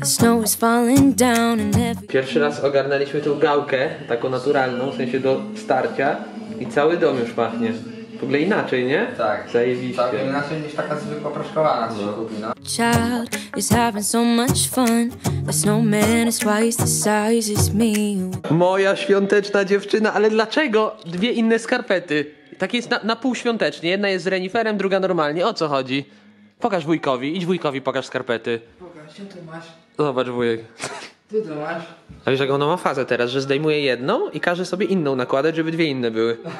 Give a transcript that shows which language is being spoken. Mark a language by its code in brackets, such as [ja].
[en] The snow is falling down and every... [pl] Pierwszy raz ogarnęliśmy tą gałkę, taką naturalną, w sensie do starcia. I cały dom już pachnie. W ogóle inaczej, nie? Tak. Zajebiście. Tak, inaczej niż taka zwykła proszkowana się kupi, no. [en] Child is having so much fun. The snowman is twice the size as me. [pl] Moja świąteczna dziewczyna, ale dlaczego dwie inne skarpety? Tak jest na pół świątecznie. Jedna jest z reniferem, druga normalnie. O co chodzi? Pokaż wujkowi, idź wujkowi, pokaż skarpety. Pokaż, co ty masz? Zobacz, wujek. Ty to masz. A wiesz, jak ona ma fazę teraz, że zdejmuje jedną i każe sobie inną nakładać, żeby dwie inne były.